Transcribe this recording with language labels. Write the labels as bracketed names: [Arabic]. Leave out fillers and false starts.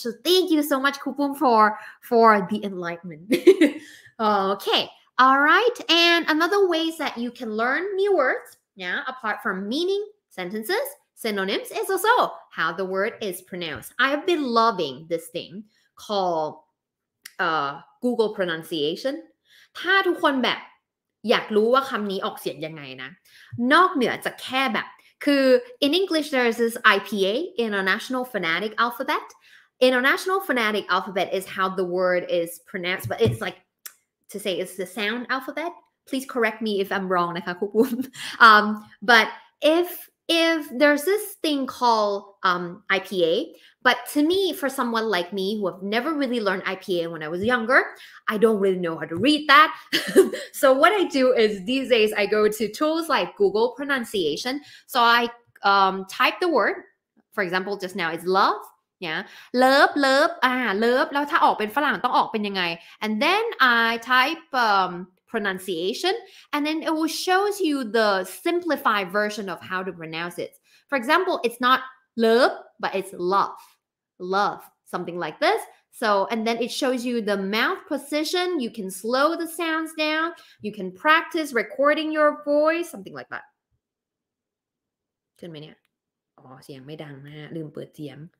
[English] So thank you so much, Kupum, for the enlightenment. Okay. All right. And another ways that you can learn new words, yeah, apart from meaning sentences,Synonyms is also how the word is pronounced. I have been loving this thing called Google pronunciation. [Thai] ถ้าทุกคนแบบอยากรู้ว่าคำนี้ออกเสียงยังไงนะนอกเหนือจากแค่แบบคือ [English] in English there is this IPA, International Phonetic Alphabet. International Phonetic Alphabet is how the word is pronounced, but it's like to say it's the sound alphabet. Please correct me if I'm wrong [Thai] นะคะคุณผู้ชม [English] but if there's this thing called IPA, but to me, for someone like me who have never really learned IPA when I was younger, I don't really know how to read that. So what I do is these days I go to tools like Google pronunciation. So I type the word, for example, just now it's love. Yeah. Love, love, love. [Thai] แล้วถ้าออกเป็นฝรั่งต้องออกเป็นยังไง? [English] And then I type pronunciation, and then it will show you the simplified version of how to pronounce it. For example, it's not love, but it's love. Love, something like this. So, and then it shows you the mouth position. You can slow the sounds down. You can practice recording your voice, something like that. [Thai] ขึ้นไหมเนี่ย? อ๋อ เสียงไม่ดังนะ ลืมเปิดเสียง.